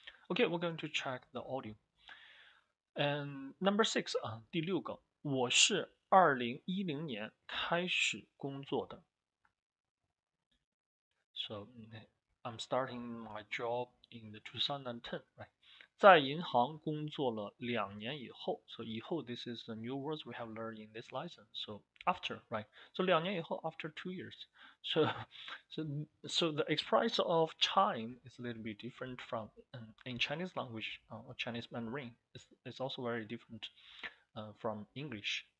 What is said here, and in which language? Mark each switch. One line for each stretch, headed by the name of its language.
English: Okay, we're going to check the audio. And number six,
Chinese: 第六个, 我是 2010年开始工作的.
English: So I'm starting my job in the 2010, right?
Chinese: 在银行工作了两年以后.
English: So 以后, this is the new words we have learned in this lesson. So after, right? So
Chinese: 两年以后,
English: after 2 years. So the expression of time is a little bit different from in Chinese language, or Chinese Mandarin. It's also very different from English.